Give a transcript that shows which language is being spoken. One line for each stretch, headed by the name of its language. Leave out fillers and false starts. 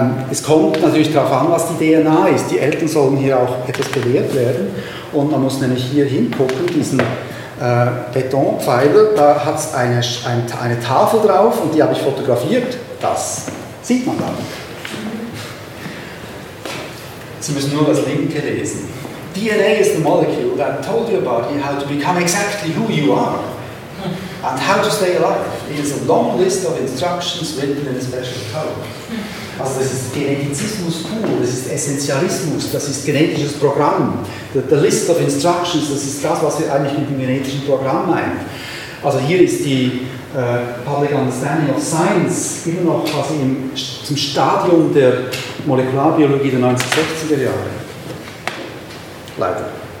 German: Es kommt natürlich darauf an, was die DNA ist. Die Eltern sollen hier auch etwas belehrt werden. Und man muss nämlich hier hingucken, diesen Betonpfeiler, da hat es eine Tafel drauf und die habe ich fotografiert. Das sieht man dann. Sie müssen nur das Linke lesen.
English: DNA is the molecule that told you about you how to become exactly who you are and how to stay alive. It is a long list of instructions written in a special code.
German: Also das ist Genetizismus pur, das ist Essentialismus, das ist genetisches Programm.
English: The list of instructions,
German: das ist das, was wir eigentlich mit dem genetischen Programm meinen. Also hier ist die Public Understanding of Science immer noch quasi im, zum Stadium der Molekularbiologie der 1960er Jahre. Leider.